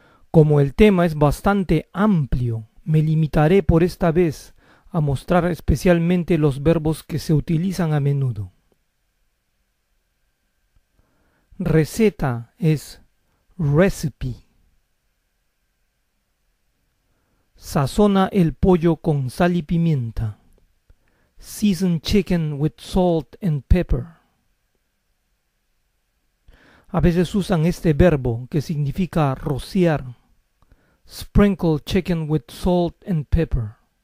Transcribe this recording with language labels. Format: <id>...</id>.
<es>Como el tema es bastante amplio, me limitaré por esta vez a mostrar especialmente los verbos que se utilizan a menudo. Receta es recipe. Sazona el pollo con sal y pimienta.</es> <en>Season chicken with salt and pepper.</en> <es>A veces usan este verbo que significa rociar.</es> <en>Sprinkle chicken with salt and pepper.</en>